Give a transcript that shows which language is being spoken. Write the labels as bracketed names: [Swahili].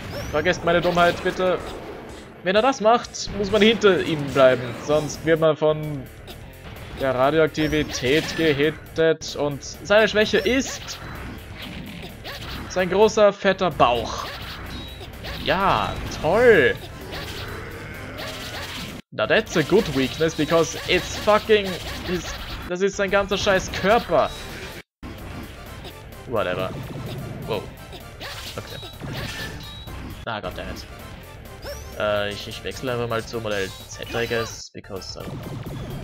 [German] Vergesst meine Dummheit, bitte. Wenn er das macht, muss man hinter ihm bleiben. Sonst wird man von der Radioaktivität gehittet. Und seine Schwäche ist sein großer, fetter Bauch. Ja, toll. [English] Now that's a good weakness, because it's fucking... [German] Das ist sein ganzer scheiß Körper. [English] Whatever. Wow. Okay. Ah, goddammit. [German] Ich wechsle einfach mal zu Modell Z, [English] I guess, because I don't know.